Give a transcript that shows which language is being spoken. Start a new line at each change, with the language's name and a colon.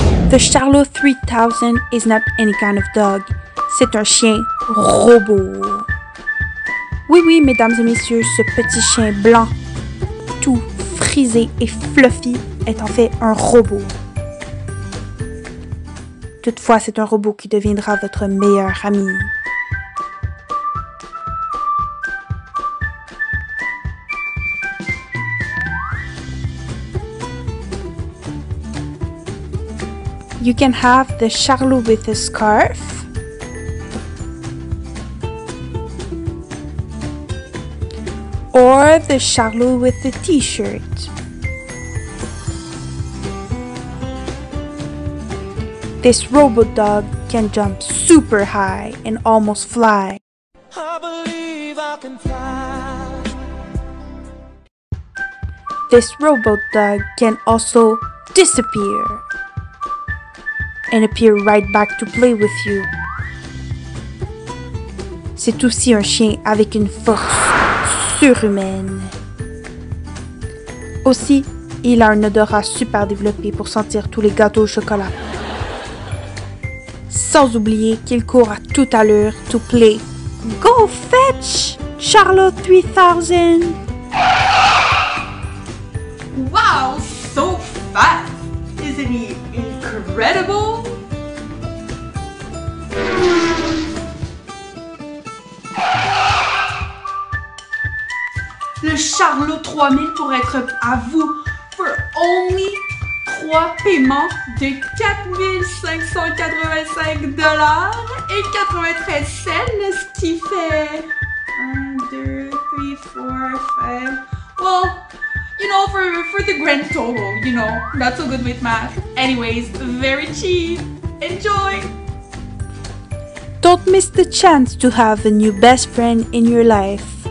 English: The Charlot 3000 is not any kind of dog.
French: C'est un chien robot. Oui, oui, mesdames et messieurs, ce petit chien blanc, tout frisé et fluffy, est en fait un robot. Toutefois, c'est un robot qui deviendra votre meilleur ami.
English: You can have the Charlot with a scarf. Or the Charlot with the t-shirt. This robot dog can jump super high and almost fly. I believe I can fly. This robot dog can also disappear and appear right back to play with you.
French: C'est aussi un chien avec une force surhumaine. Aussi, il a un odorat super développé pour sentir tous les gâteaux au chocolat. Sans oublier qu'il court à toute allure
English: to play. Go fetch, Charlot 3000! Wow, so fast! Isn't he incredible?
French: Le Charlot 3000 pour être à vous
English: for only
French: 3 paiements de $4,585.93, ce qui fait 1, 2, 3, 4, 5.
English: Well, you know, for the grand total, you know, not so good with math. Anyways, very cheap. Enjoy! Don't miss the chance to have a new best friend in your life.